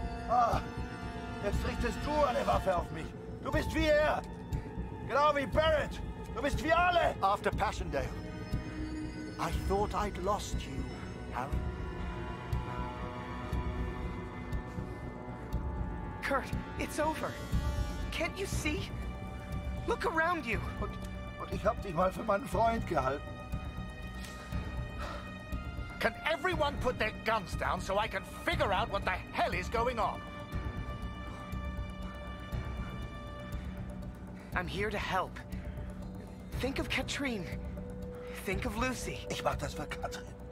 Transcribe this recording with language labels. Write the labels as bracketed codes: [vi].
[de] Ah, jetzt richtest du eine Waffe auf mich. Du bist wie er. Genau wie Barrett. Du bist wie alle. [en] After Passchendaele, I thought I'd lost you, Harry. Kurt, it's over. Can't you see? Look around you. [de] Und ich hab dich mal für meinen Freund gehalten. [en] Can everyone put their guns down so I can figure out what the hell is going on? I'm here to help. Think of Catherine. Think of Lucy. [de] Ich mach das für Katrin.